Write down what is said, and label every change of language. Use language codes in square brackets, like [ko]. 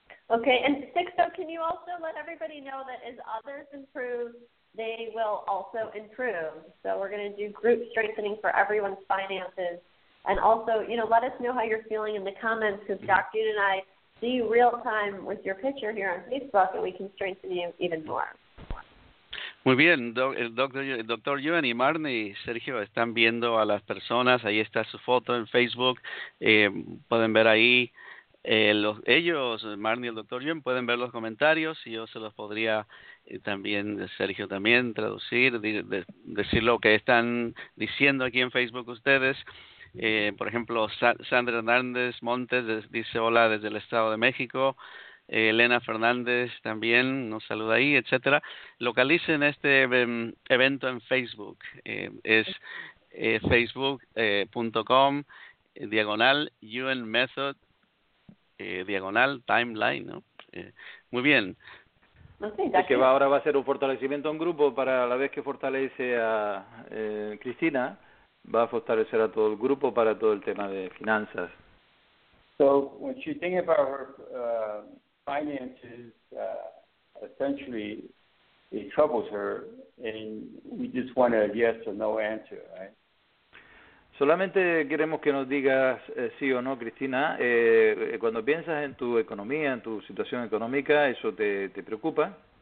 [en] Okay, and Sixto, can you also let everybody know that as others improve, they will also improve? So we're going to do group strengthening for everyone's finances. And also, you know, let us know how you're feeling in the comments, because Dr. Yuen and I see you real time with your picture here on Facebook, and we can strengthen you even more. [es] Muy bien, el doctor Yuen y Marnie y Sergio están viendo a las personas, ahí está su foto en Facebook, pueden ver ahí, ellos, Marnie y el doctor Yuen, pueden ver los comentarios y yo se los podría también, Sergio también, traducir, decir lo que están diciendo aquí en Facebook ustedes. Por ejemplo, Sandra Hernández Montes dice hola desde el Estado de México. Elena Fernández también nos saluda ahí, etcétera. Localicen este evento en Facebook. Es facebook.com/UN Method/timeline, ¿no? Muy bien. Okay, que va, ahora va a ser un fortalecimiento en grupo para la vez que fortalece a Cristina, va a fortalecer a todo el grupo para todo el tema de finanzas. [en] So, when she thinks about her finances, essentially, it troubles her, and we just want a yes or no answer, right? [es] Solamente queremos que nos digas sí o no, Cristina. Cuando piensas en tu economía, en tu situación económica, ¿eso te preocupa?